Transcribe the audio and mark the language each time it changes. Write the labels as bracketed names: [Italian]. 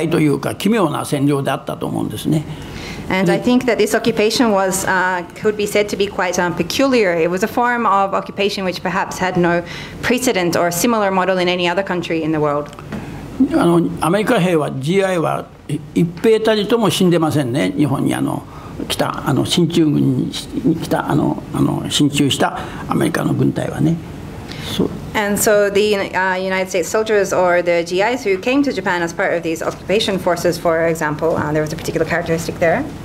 [Japanese] マッカーサーの占領というのは特別な占領で、世界の歴史でもね、例のないほど、寛大というか奇妙な占領であったと思うんですね。 [English] And I think that this occupation was could be said to be quite peculiar. It was a form of occupation which perhaps had no precedent or a similar model in any other country in the world. [Japanese] アメリカ兵は、GIは一兵たりとも死んでませんね、日本に。北、進駐軍に来た、進駐したアメリカの軍隊はね。 [English] And so the United States soldiers or the GIs who came to Japan as part of these occupation forces, for example, there was a particular characteristic there.